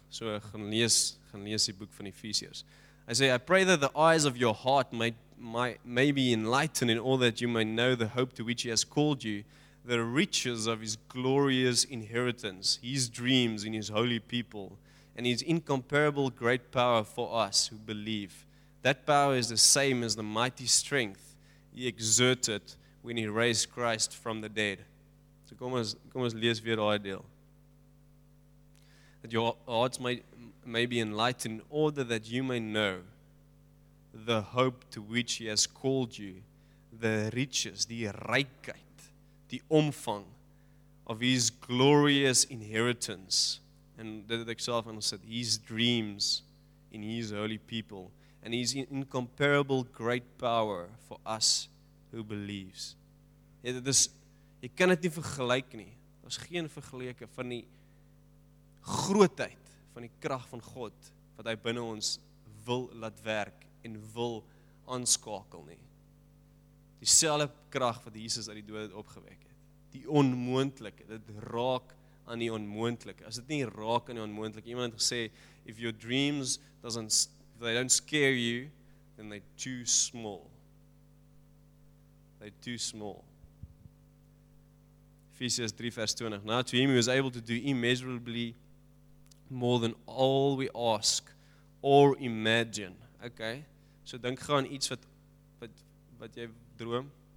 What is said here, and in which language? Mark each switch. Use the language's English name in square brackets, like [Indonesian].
[Afrikaans] So gaan lees die boek van Efesiërs. Hy sê [English] I pray that the eyes of your heart may be enlightened in all that you may know the hope to which he has called you, the riches of his glorious inheritance, his dreams in his holy people, and his incomparable great power for us who believe. That power is the same as the mighty strength he exerted when he raised Christ from the dead. [Afrikaans] So kom ons lees weer daai deel. [English] That your hearts may be enlightened in order that you may know the hope to which he has called you, the riches, [Afrikaans] die rykheid, die omvang [English] of his glorious inheritance, and [Afrikaans] dit het ek self aan gesit, [English] his dreams in his holy people, and his incomparable great power for us who believes. [Afrikaans] Dit is, jy kan dit nie vergelyk nie, daar is geen vergelyke van die grootheid van die krag van God, wat hy binne ons wil laat werk, en wil aanskakel nie. Dieselfde krag wat Jesus uit die dood opgewek het. Die onmoontlike, dit raak aan die onmoontlike. As dit nie raak aan die onmoontlike, iemand het gesê, [English] if your dreams doesn't, they don't scare you, then they're too small. They're too small. Efesiërs 3 vers 20, now to him who is able to do immeasurably more than all we ask or imagine. [Afrikaans] Okay, so dink gou aan iets wat jy droom.